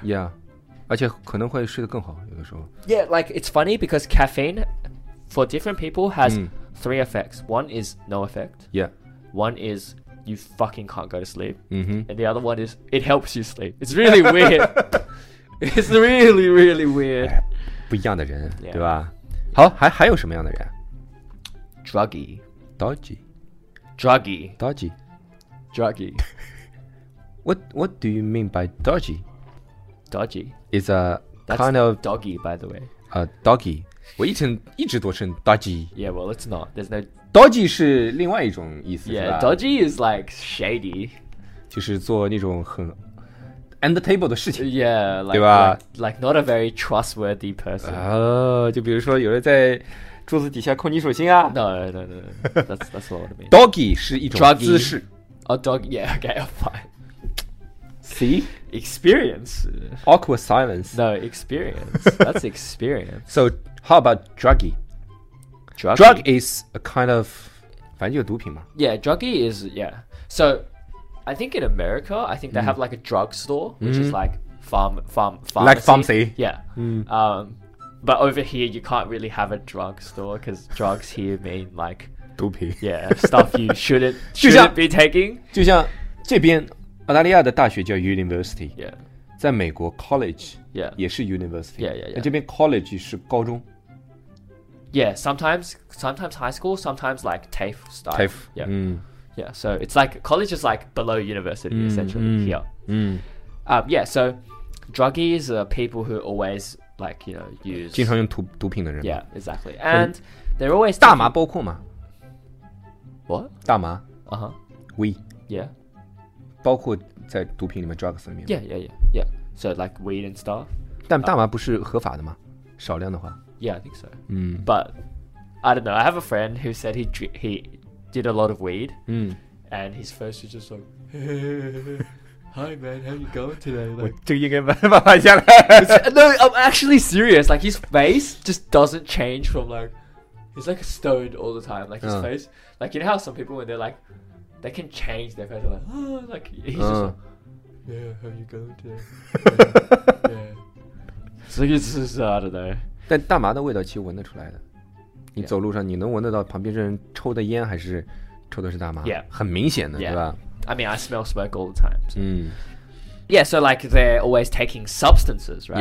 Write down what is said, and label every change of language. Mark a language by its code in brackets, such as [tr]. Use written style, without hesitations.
[zh] Yeah, 而且可能会睡得更好有的时候。 [en] Yeah, like it's funny because caffeine for different people has、嗯、three effects. One is no effect. Yeah. One isis you fucking can't go to sleep、 mm-hmm. and the other one is it helps you sleep. It's really weird. It's really really weird. [zh] 不一样的人、 [en] yeah. [zh] 对吧。好 还有什么样的人。 [en] Druggy. Dodgy. Druggy. Dodgy. Druggy. What do you mean by dodgy? Dodgy. It's a kind of doggy, by the way. A doggy. [zh] 我一直读成 dodgy. [en] Yeah, well, it's not. There's no [zh] Dodgy 是另外一种意思 [en] Yeah, dodgy is like shady. [zh] 就是做那种很 end the table 的事情 [en] Yeah, like, [zh] 对吧 [en] like not a very trustworthy person. [zh] 就比如说有人在桌子底下扣你手心啊 [en] No, that's what I mean. [zh] Doggy 是一种姿势 [en] Oh, dog, yeah, okay, fine. See? Experience. Awkward silence. No, experience. That's experience. So, how about druggy? Druggy. Drug is a kind of, [zh] 反正就毒品嘛。 [en] Yeah, druggy is, yeah. So, I think in America, I think they、嗯、 have like a drug store, which、嗯、is like pharmacy. Like pharmacy. Yeah.、嗯、 but over here, you can't really have a drug store, because drugs here mean like, [zh] 毒品 [en] yeah, stuff you shouldn't be taking. [zh] 就像这边澳大利亚的大学叫 university. [en] Yeah. [zh] 在美国 college [en] yeah, [zh] 也是 university. [en] Yeah, yeah, yeah. [zh] 这边 college 是高中。 [en] Yeah, sometimes high school, sometimes like TAFE style. TAFE, yeah.、 Mm. Yeah, so it's like, college is like below university, mm, essentially, mm, here. Mm.、 Yeah, so druggies are people who always, like, you know, use... [zh] 经常用毒品的人。 [en] Yeah, exactly. And they're always... [zh] 大麻包括吗 [en] What? [zh] 大麻。 [en] Uh-huh. We. Yeah. [zh] 包括在毒品里面 drugs 里面。 [en] Yeah, yeah, yeah, yeah. So like weed and stuff. [zh] 但大麻不是合法的吗？少量的话。 [en] Yeah, I think so.、 Mm. But I don't know. I have a friend who said he did a lot of weed.、 Mm. And his first was just like, hey, hi, man, how are you going today? No, I'm actually serious. Like, his face just doesn't change from like, he's like stoned all the time. Like, his、face. Like, you know how some people, when they're like, they can change their face. Like, like he's just like, yeah, how are you going today? Yeah. Yeah. So, it's just, I don't know. [zh] 但大麻的味道其实闻得出来的，你走路上你能闻得到旁边这人抽的烟还是抽的是大麻， [en] yeah. [zh] 很明显的， [en] yeah. [zh] 对吧 [en] ？I mean, I smell smoke all the time.、 So. 嗯，Yeah, so like they're always taking substances, right?